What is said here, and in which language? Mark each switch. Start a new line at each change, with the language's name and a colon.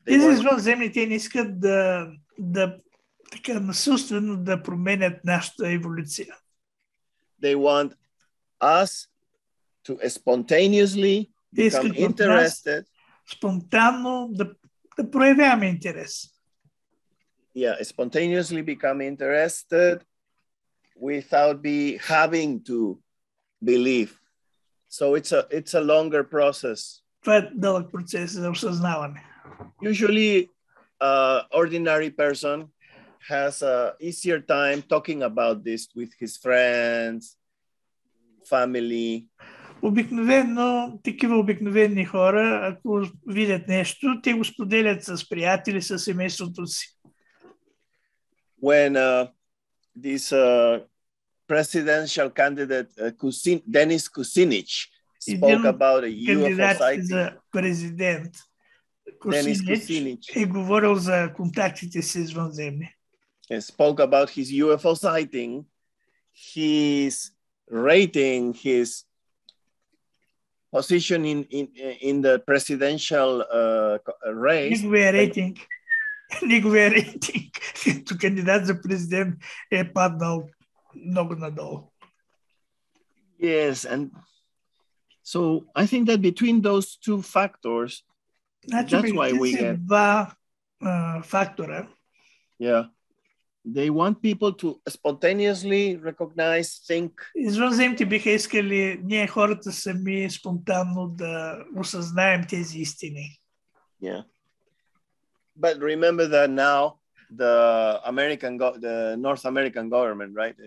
Bulgarian: Тези извънземните не искат да така насилствено да променят нашата еволюция.
English: They want us to spontaneously become interested.
Bulgarian: Спонтанно да проявяваме интерес.
English: Yeah, spontaneously become interested without having to believe. So it's a longer process.
Bulgarian: Това е дълъг процес за осъзнаване.
English: Usually, ordinary person has a easier time talking about this with his friends, family.
Bulgarian: Обикновено, такива обикновени хора, ако видят нещо, те го споделят с приятели, с семейството си.
English: When this presidential candidate Denis Kucinich spoke about a UFO sighting,
Bulgarian: за президент Кусинич е говорил за контактите с извънземни.
English: He spoke about his UFO sighting. His rating, his position in the presidential race.
Bulgarian: Неговия рейтинг като кандидат за президент е паднал много надолу.
English: Yes, and so I think that between those two factors, that's why we get
Bulgarian: два фактора.
English: Yeah. They want people to spontaneously recognize, think.
Bulgarian: Извънземните биха искали ние хората сами спонтанно да осъзнаем тези истини.
English: Yeah. But remember that now the North American government, right?